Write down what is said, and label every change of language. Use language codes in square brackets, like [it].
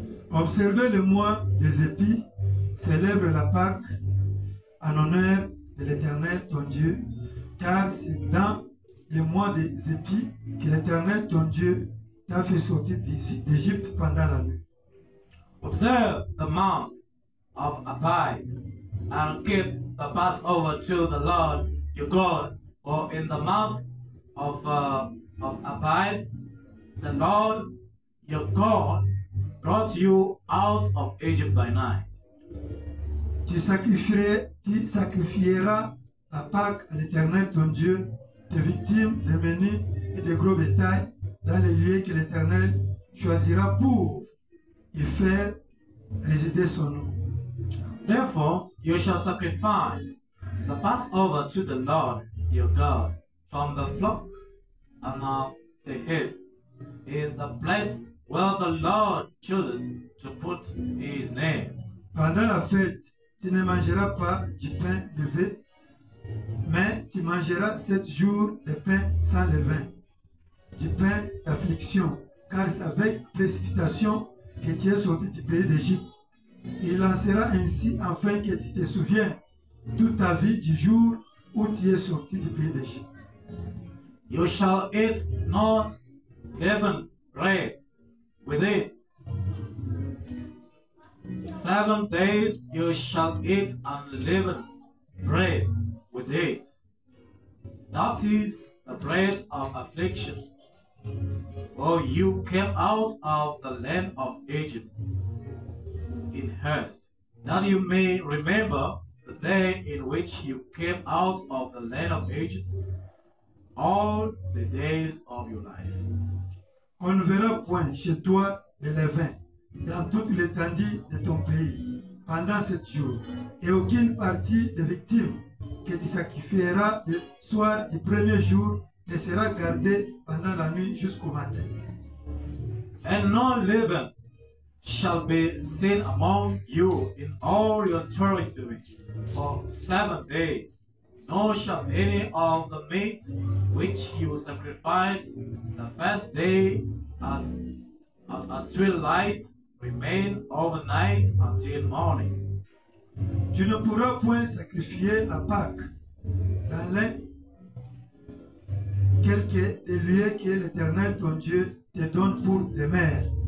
[fr] Observez le mois des épis, célèbre la Pâque en honneur de l'Éternel ton Dieu, car c'est dans le mois des épis que l'Éternel ton Dieu t'a fait sortir d'Égypte pendant la nuit. [en] Observe the month of Abib and keep the Passover to the Lord your God, for in the month of Abib the Lord your God brought you out of Egypt by night. [fr] Tu sacrifieras la Pâque à l'Éternel ton Dieu, des victimes, des menus et des gros bétails dans les lieux que l'Éternel choisira pour y faire résider son nom. [en] Therefore, you shall sacrifice the Passover to the Lord your God from the flock among the herd, in the place where the Lord chooses to put his name. [fr] Pendant la fête, tu ne mangeras pas du pain levé, mais tu mangeras 7 jours de pain sans levain, du pain d'affliction, car c'est avec précipitation que tu es sorti du pays d'Égypte. Il en sera ainsi afin que tu te souviennes toute ta vie du jour où tu es sorti du pays d'Égypte. [en] You shall eat no leaven bread with it. 7 days you shall eat unleavened bread with it. That is the bread of affliction. For you came out of the land of Egypt in haste, that you may remember the day in which you came out of the land of Egypt, all the days of your life. [fr] On ne verra point chez toi de levain dans toute l'étendue de ton pays pendant 7 jours, et aucune partie des victimes que tu sacrifieras le soir du premier jour ne sera gardée pendant la nuit jusqu'au matin. [en] And no leaven shall be seen among you in all your territory for 7 days, nor shall any of the meat which you sacrifice the first day at twilight remain overnight until morning. [fr] Tu ne pourras point sacrifier la Pâque dans l'un quelque des lieux que l'Éternel ton Dieu te donne pour demeure.